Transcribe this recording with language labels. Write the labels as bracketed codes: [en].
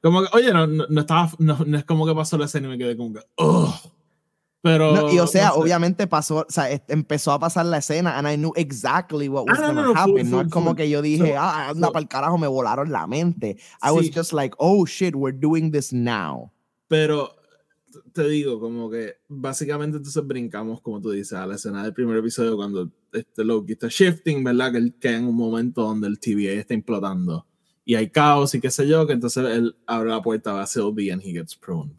[es] Como que, oye, no es como que pasó la escena y me quedé como que, ugh. Pero, no, y o sea, no sé. Obviamente pasó, o sea, empezó a pasar la escena [en] and I knew exactly what was going to happen. [es] No es como que yo dije, anda para el carajo, me volaron la mente. [en] I was just like, oh shit, we're doing this now. [es] Pero te digo, como que básicamente entonces brincamos, como tú dices, a la escena del primer episodio cuando Loki está shifting, ¿verdad? Que él cae en un momento donde el TVA está implotando. Y hay caos y qué sé yo, que entonces él abre la puerta, va a Sylvie [en] and he gets prone.